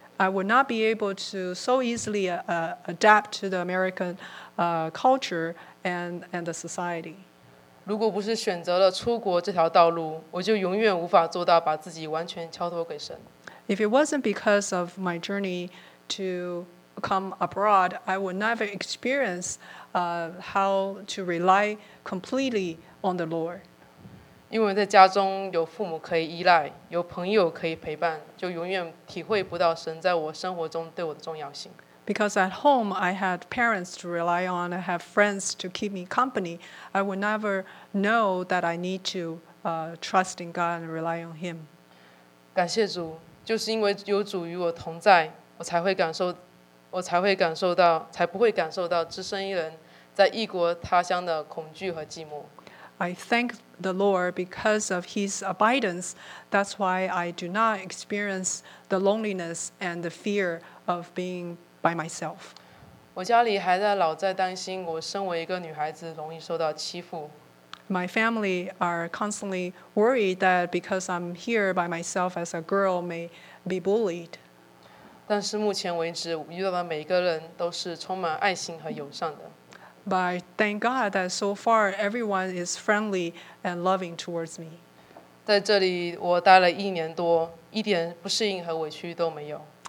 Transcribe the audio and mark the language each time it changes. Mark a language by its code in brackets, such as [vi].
[en] I would not be able to so easily adapt to the American culture and the society. [zh] 如果不是选择了出国这条道路，我就永远无法做到把自己完全交托给神。 [en] If it wasn't because of my journey to come abroad, I would never experience how to rely completely on the Lord. [zh] 因为在家中有父母可以依赖，有朋友可以陪伴，就永远体会不到神在我生活中对我的重要性。 [en] Because at home I had parents to rely on, I have friends to keep me company, I would never know that I need to trust in God and rely on Him. [zh] 感谢主，就是因为有主与我同在，才不会感受到只身一人在异国他乡的恐惧和寂寞。 [en] I thank the Lord because of His abidance. That's why I do not experience the loneliness and the fear of being by myself. [zh] 我家里还在老在担心我身为一个女孩子容易受到欺负。 [en] My family are constantly worried that because I'm here by myself as a girl may be bullied. [zh] 但是目前为止，遇到的每一个人都是充满爱心和友善的。 [en] But I thank God that so far everyone is friendly and loving towards me. [zh] 在这里我待了一年多，一点不适应和委屈都没有。